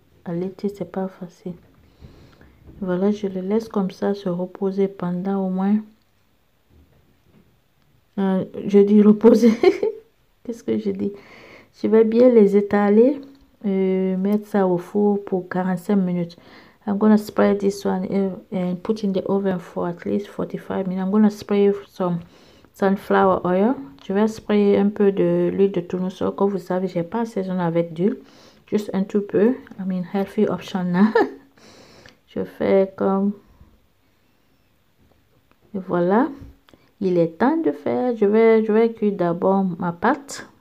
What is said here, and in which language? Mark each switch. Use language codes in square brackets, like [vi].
[fr] À l'été, c'est pas facile. Voilà, je le laisse comme ça se reposer pendant au moins. Je dis reposer. Qu'est-ce que je dis? Je vais bien les étaler et mettre ça au four pour 45 minutes. [en] I'm gonna spray this one and put in the oven for at least 45 minutes. I'm gonna spray some sunflower oil. [fr] Je vais sprayer un peu de l'huile de tournesol. Comme vous savez, j'ai pas assaisonné avec d'huile. Juste un tout peu. [en] I mean, healthy option [fr] là. Je fais comme. Et voilà. Il est temps de faire. Je vais cuire d'abord ma pâte.